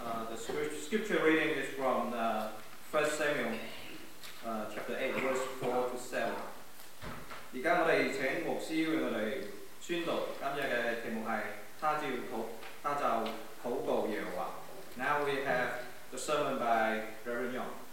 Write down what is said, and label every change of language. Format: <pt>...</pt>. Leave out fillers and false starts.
<en>The scripture reading is from 1 Samuel chapter 8, verse 4 to 7.</en> <zh>現在我們請牧師為我們宣讀今天的題目是他就禱告耶和華。</zh> <en>Now we have the sermon by Reverend Young.</en>